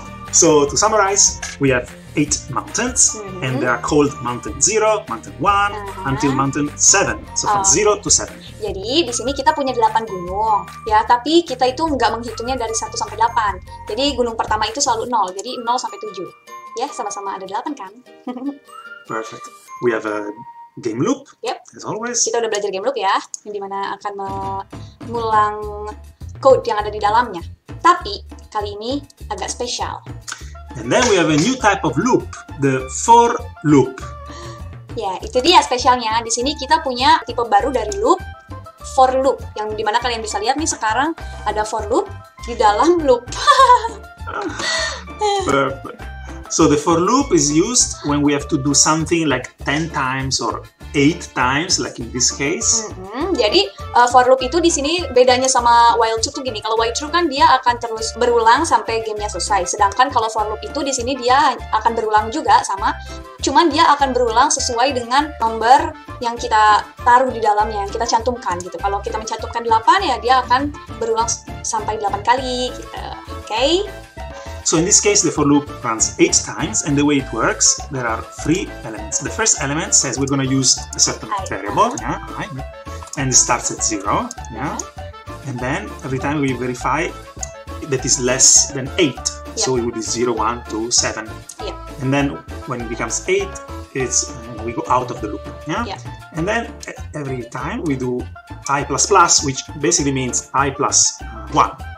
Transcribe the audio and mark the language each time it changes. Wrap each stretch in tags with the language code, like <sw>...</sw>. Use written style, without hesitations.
<en>So to summarize, we have 8 mountains, and they are called mountain 0, mountain 1, until mountain 7. So from 0 to 7.</en> <id>Jadi di sini kita punya 8 gunung, ya, tapi kita itu nggak menghitungnya dari 1 sampai 8. Jadi gunung pertama itu selalu 0, jadi 0 sampai 7. Ya, sama-sama ada 8 kan?</id> <en>Perfect. We have a game loop, yep. As always.</en> <id>Kita udah belajar game loop ya, yang dimana akan mengulang code yang ada di dalamnya. Tapi kali ini agak spesial.</id> <en>And then we have a new type of loop, the for loop.</en> <id>Ya, itu dia spesialnya. Di sini kita punya tipe baru dari loop, for loop. Yang dimana kalian bisa lihat nih sekarang ada for loop di dalam loop.</id> <en>So the for loop is used when we have to do something like 10 times or 8 times, like in this case.</en> <id>Jadi for loop itu di sini bedanya sama while through tuh gini. Kalau while through kan dia akan terus berulang sampai gamenya selesai. Sedangkan kalau for loop itu di sini dia akan berulang juga sama. Cuman dia akan berulang sesuai dengan number yang kita taruh di dalamnya, yang kita cantumkan gitu. Kalau kita mencantumkan 8 ya dia akan berulang sampai 8 kali gitu. Oke?</id> <en>So in this case, the for loop runs 8 times, and the way it works, there are 3 elements. The first element says we're gonna use a certain variable, and it starts at 0, and then every time we verify that is less than 8, so it would be 0, 1, 2, 7, and then when it becomes 8, it's we go out of the loop, and then every time we do i++, which basically means i plus 1.</en>